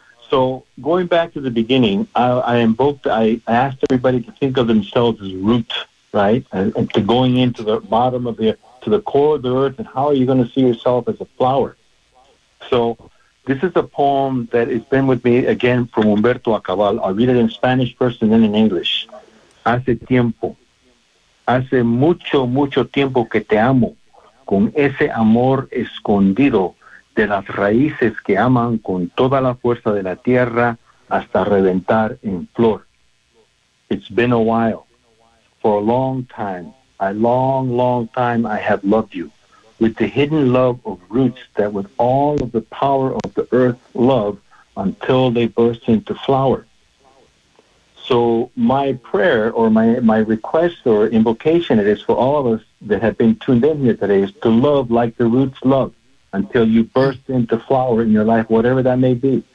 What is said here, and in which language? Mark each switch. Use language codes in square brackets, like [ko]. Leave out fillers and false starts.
[en] So going back to the beginning, I asked everybody to think of themselves as root, right? And to going into the bottom of the, to the core of the earth, and how are you going to see yourself as a flower? So this is a poem that has been with me, again, from Humberto Acabal. I'll read it in Spanish first and then in English. [es] Hace tiempo. Hace mucho, mucho tiempo que te amo, con ese amor escondido de las raíces que aman con toda la fuerza de la tierra hasta reventar en flor. [en] It's been a while. For a long time, a long, long time, I have loved you. With the hidden love of roots that with all of the power of the earth love until they burst into flower. So my prayer or my request or invocation it is for all of us that have been tuned in here today is to love like the roots love until you burst into flower in your life, whatever that may be.